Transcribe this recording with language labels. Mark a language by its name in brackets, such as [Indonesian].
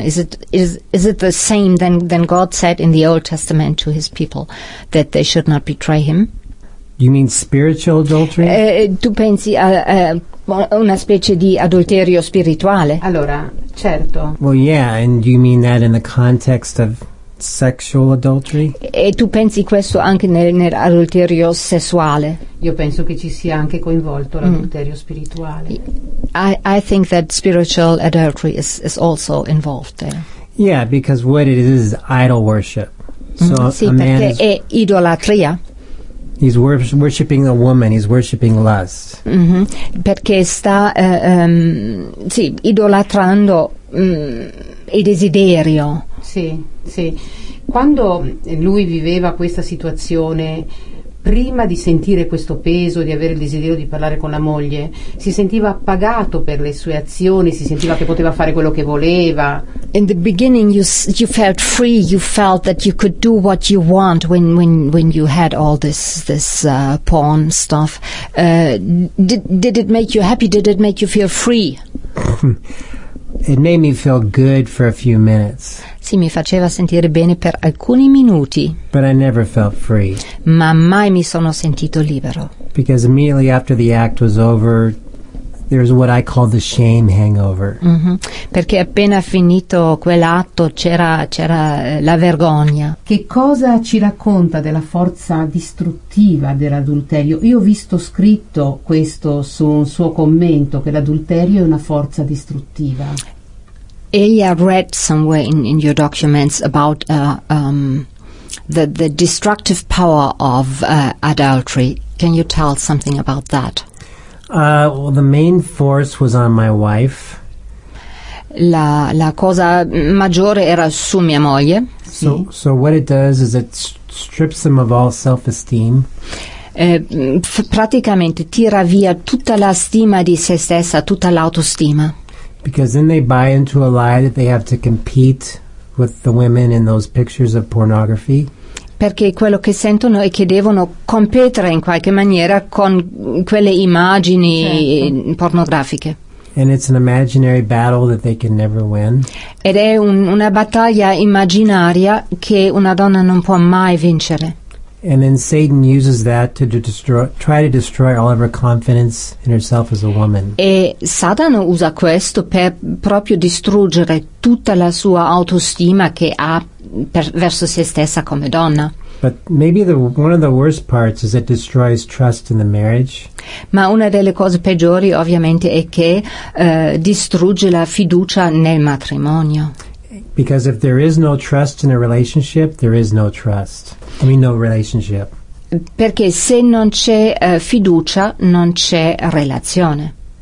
[English] Is it the same than God said in the Old Testament to his people that they should not betray him? You mean spiritual adultery? [Italian] Tu pensi a una specie di adulterio spirituale? Allora, certo. [English] Well, yeah, and do you mean that in the context of sexual adultery? [Italian] E tu pensi questo anche nel adulterio sessuale? Io penso che ci sia anche coinvolto l'adulterio spirituale. [English] I think that spiritual adultery is also involved there. Yeah, because what it is idol worship. [Italian] So sì, perché è idolatria. [English] He's worshipping a woman, he's worshipping lust. [Italian] Mm-hmm. Perché sta sì, idolatrando il desiderio. Sì, sì. Quando lui viveva questa situazione prima di sentire questo peso, di avere il desiderio di parlare con la moglie, si sentiva pagato per le sue azioni, si sentiva che poteva fare quello che voleva. [English] In the beginning you felt free, you felt that you could do what you want when you had all this porn stuff. Did it make you happy? Did it make you feel free? It made me feel good for a few minutes. [Italian] Sì, mi faceva sentire bene per alcuni minuti. [English] But I never felt free. [Italian] Ma mai mi sono sentito libero. [English] Because immediately after the act was over, there's what I call the shame hangover. [Italian] Mm-hmm. Perché appena finito quell'atto c'era la vergogna. Che cosa ci racconta della forza distruttiva dell'adulterio? Io ho visto scritto questo su un suo commento, che l'adulterio è una forza distruttiva. [English] Elia read somewhere in your documents about the destructive power of adultery. Can you tell something about that? Well, the main force was on my wife. [Italian] La cosa maggiore era su mia moglie. [English] So what it does is it strips them of all self-esteem. [Italian] Praticamente tira via tutta la stima di se stessa, tutta l'autostima. [English] Because then they buy into a lie that they have to compete with the women in those pictures of pornography. [Italian] Perché quello che sentono è che devono competere in qualche maniera con quelle immagini pornografiche. [English] And it's an imaginary battle that they can never win. [Italian] Ed è una battaglia immaginaria che una donna non può mai vincere. [English] And then Satan uses that to try to destroy all of her confidence in herself as a woman. [Italian] E Satana usa questo per proprio distruggere tutta la sua autostima che ha verso se stessa come donna. [English] But maybe one of the worst parts is it destroys trust in the marriage. [Italian] Ma una delle cose peggiori ovviamente è che distrugge la fiducia nel matrimonio. [English] Because if there is no trust in a relationship, there is no trust. I mean, no relationship. [Italian] Perché se non c'è fiducia, non c'è relazione.